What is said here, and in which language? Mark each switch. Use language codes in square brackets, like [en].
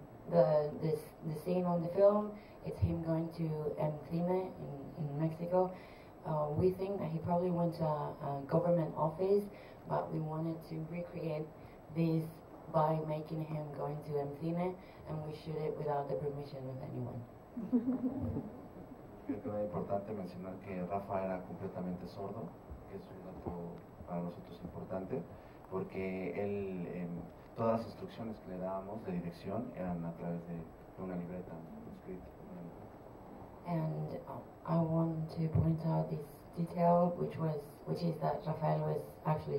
[en] The scene on the film, it's him going to Encine in Mexico. We think that he probably went to a government office, but we wanted to recreate this by making him go into Encine, and we shoot it without the permission of anyone. [es] Creo que es importante mencionar que Rafa era completamente sordo, que es un dato para nosotros importante, porque él, todas las instrucciones que le dábamos de dirección eran a través de una libreta, un escrito. [en] And I want to point out this detail, which is that Rafael was actually deaf, so any instructions that we had to give him